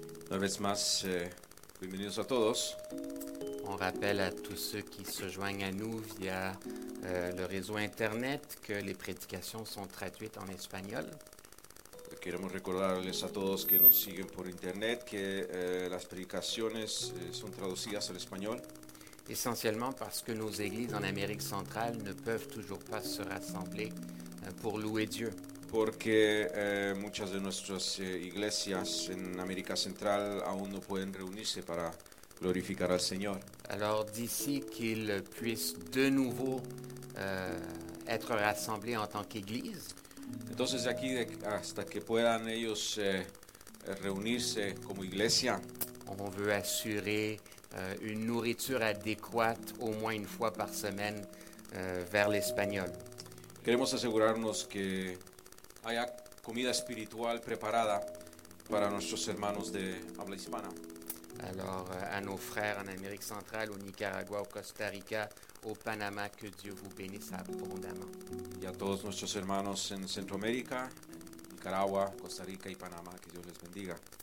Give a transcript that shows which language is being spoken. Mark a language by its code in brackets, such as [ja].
[es] Una vez más, bienvenidos a todos. [fr] On rappelle à tous ceux qui se joignent à nous via le réseau Internet que les prédications sont traduites en espagnol. [es] Queremos recordarles a todos que nos siguen por Internet que las predicaciones son traducidas al español. [fr] Essentiellement parce que nos églises en Amérique centrale ne peuvent toujours pas se rassembler pour louer Dieu. [es] Porque muchas de nuestras iglesias en América Central aún no pueden reunirse para glorificar al Señor. [fr] Alors d'ici qu'ils puissent de nouveau être rassemblés en tant qu'église. [es] Entonces de aquí hasta que puedan ellos reunirse como iglesia. [fr] On veut assurer une nourriture adéquate au moins une fois par semaine vers l'espagnol. [es] Queremos asegurarnos que haya comida espiritual preparada para nuestros hermanos de habla hispana. [fr] Alors, à nos frères en Amérique centrale, au Nicaragua, au Costa Rica, au Panama, que Dieu vous bénisse abondamment. [es] Y a todos nuestros hermanos en Centroamérica, Nicaragua, Costa Rica y Panamá, que Dios les bendiga.